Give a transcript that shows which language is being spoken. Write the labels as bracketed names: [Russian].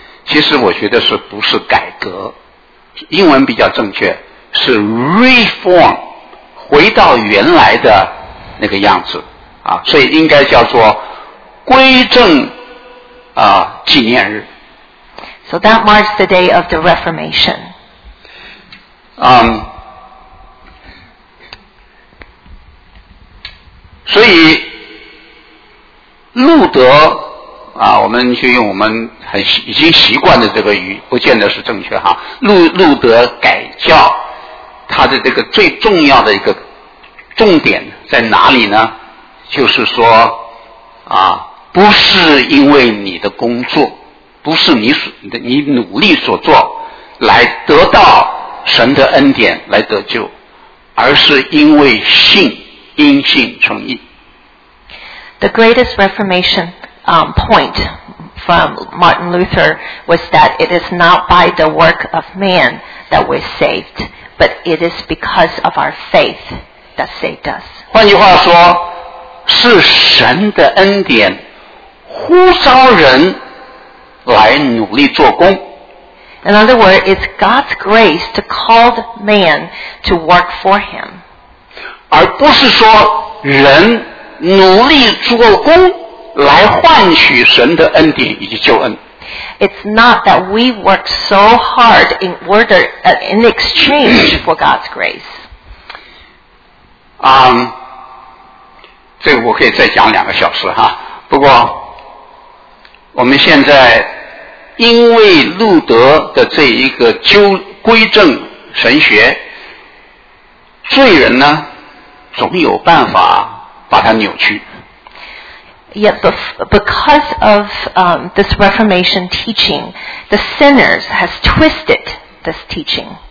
[Chinese] 其实我觉得是不是改革？英文比较正确，是 reform， 回到原来的那个样子啊，所以应该叫做归正啊纪念日。 [English] So that marks the day of the Reformation. [Chinese] 所以路德啊，我们去用我们很已经习惯的这个语，不见得是正确哈。路德改教，他的这个最重要的一个重点在哪里呢？就是说啊，不是因为你的工作，不是你努力所做来得到神的恩典来得救，而是因为信，因信称义。 [English] The greatest reformation point from Martin Luther was that it is not by the work of man that we're saved, but it is because of our faith that saved us. [Chinese] 换句话说，是神的恩典呼召人来努力做工。 [English] In other words, it's God's grace to call man to work for him. [Chinese] 而不是说人努力做工来换取神的恩典以及救恩。 [English] It's not that we work so hard in order, in exchange for God's grace. [Chinese] 这个我可以再讲两个小时哈。不过我们现在因为路德的这一个归正神学，罪人呢总有办法把它扭曲。 [English] Yet because of this Reformation teaching, the sinners has twisted this teaching.